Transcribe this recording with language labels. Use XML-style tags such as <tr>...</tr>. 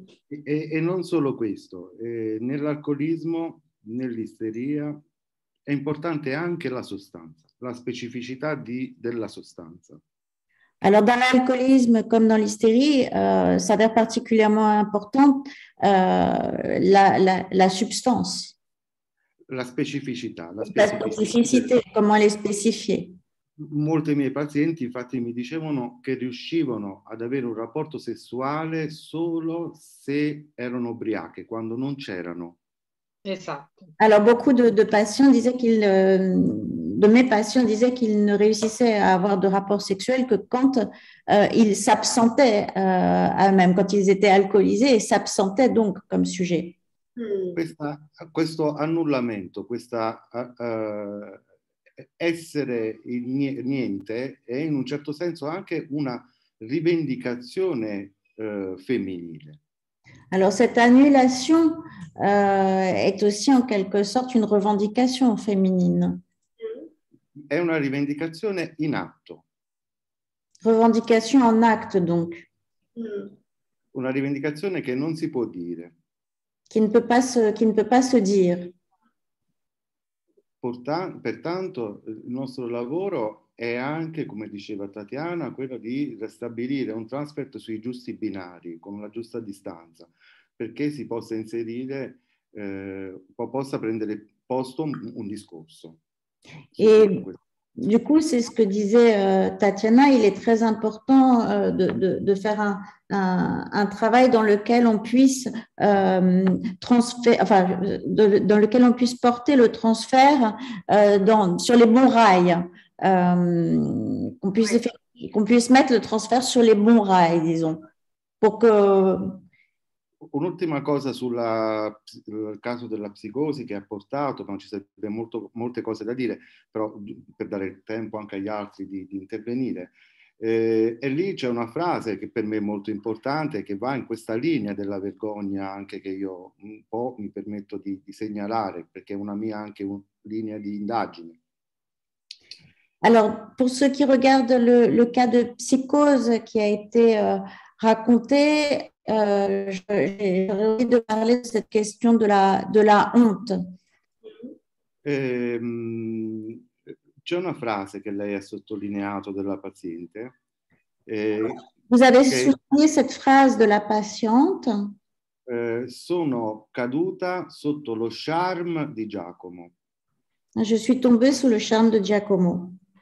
<it>E non solo questo, nell'alcolismo, nell'isteria è importante anche la sostanza, la specificità della sostanza.</it> <fr>Alors, dans l'alcoolisme comme dans l'hystérie, s'avère particulièrement importante la substance. La spécificité. Comment elle est spécifiée.</fr> <it>Molti miei pazienti, infatti, mi dicevano che riuscivano ad avere un rapporto sessuale solo se erano ubriache, quando non c'erano. Esatto.</it> <fr>Alors, beaucoup de patients disaient qu'ils. De mes patients disaient qu'ils ne réussissaient à avoir de rapports sexuels que quand ils s'absentaient, même quand ils étaient alcoolisés et s'absentaient donc comme sujet.</fr> <it>Questo annullamento, questa essere niente, è in un certo senso anche una rivendicazione femminile.</it> <fr>Alors cette annulation est aussi en quelque sorte une revendication féminine.</fr> <it>È una rivendicazione in atto.</it> <fr>Revendication en acte donc.</fr> <it>Una rivendicazione che non si può dire.</it> <fr>Qui ne peut pas se dire.</fr> <it>Pertanto il nostro lavoro è anche, come diceva Tatiana, quello di ristabilire un transfert sui giusti binari, con la giusta distanza, perché si possa inserire, possa prendere posto un discorso.</it> <fr>E du coup, c'est ce que disait Tatiana, il est très important de faire un travail dans lequel on puisse dans lequel on puisse porter le transfert sur les bons rails, qu'on puisse mettre le transfert sur les bons rails, disons, pour que.</fr> <it>Un'ultima cosa sul caso della psicosi che ha portato, non ci sarebbe molte cose da dire, però per dare tempo anche agli altri di intervenire. E lì c'è una frase che per me è molto importante, che va in questa linea della vergogna, anche che io un po' mi permetto di segnalare, perché è una mia anche linea di indagine.</it> <fr>Alors, pour ceux qui regardent le cas de psychose qui a été raconté, j'aurais envie de parler de cette question de la honte.</fr> <it>C'è una frase che lei ha sottolineato della paziente.</it> <fr>Vous avez souligné cette phrase de la patiente.</fr> <it>Sono caduta sotto lo charme di Giacomo.</it> <fr>Je suis tombée sous le charme de Giacomo.</fr>